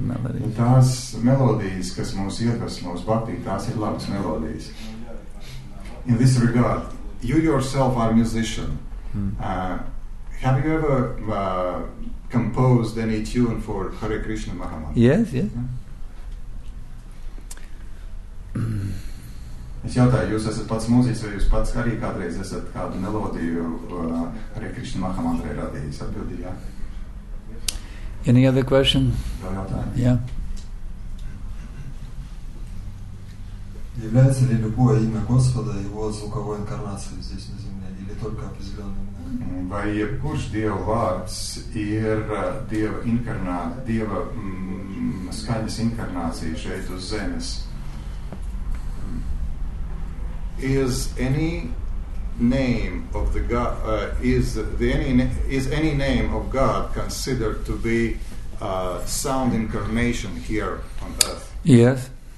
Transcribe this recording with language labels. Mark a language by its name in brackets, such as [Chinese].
[English] melodies. In this regard, you yourself are a musician. Have you ever composed any tune for Hare Krishna Mahamantra. Yes, yes. [Latvian] Es jautāju, jūs esat pats mūzīts, vai jūs pats arī kādreiz esat kādu melodiju Hare Krishna Mahamantra radījis? Atbildi, jā. [English] Any other question? [Russian] Является ли любое имя Господа его звуковой инкарнацией здесь на земле или только определённым? [Latvian] Vai jebkurš Dieva vārds ir Dieva inkarnācija, Dieva skaņas inkarnācija šeit uz zemes? [English] Is any name of the God is any name of God considered to be a sound incarnation here on earth? Yes.